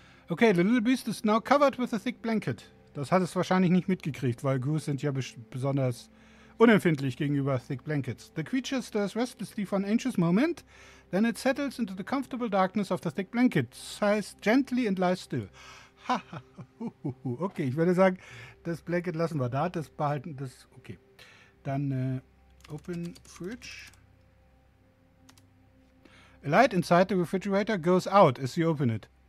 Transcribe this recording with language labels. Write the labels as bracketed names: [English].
[English] Okay, the little beast is now covered with a thick blanket. [German] Das hat es wahrscheinlich nicht mitgekriegt, weil Goos sind ja besonders unempfindlich gegenüber thick blankets. [English] The creature stirs restlessly for an anxious moment. Then it settles into the comfortable darkness of the thick blanket. Sighs gently and lies still. [German] Haha, okay, ich würde sagen, das Blanket lassen wir da, das behalten, das, okay. [English] Dann, open fridge. A light inside the refrigerator goes out as you open it.